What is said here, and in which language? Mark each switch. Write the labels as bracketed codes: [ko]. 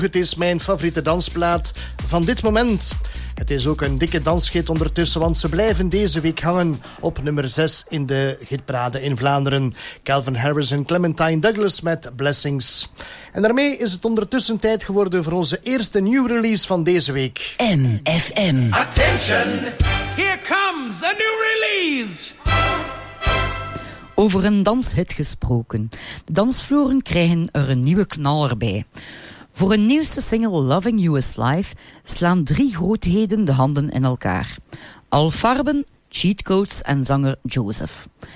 [nl] Het is mijn favoriete dansplaat van dit moment. Het is ook een dikke danshit ondertussen, want ze blijven deze week hangen op nummer 6 in de hitparade in Vlaanderen. Calvin Harris en Clementine Douglas met Blessings. En daarmee is het ondertussen tijd geworden voor onze eerste new release van deze week. MFM. [en] Attention! Here comes a new release! [nl] Over een danshit gesproken. De dansvloeren krijgen er een nieuwe knaller bij. Voor hun nieuwste single Loving You Is Life slaan drie grootheden de handen in elkaar. Al Farben, Cheat Codes en zanger Joseph.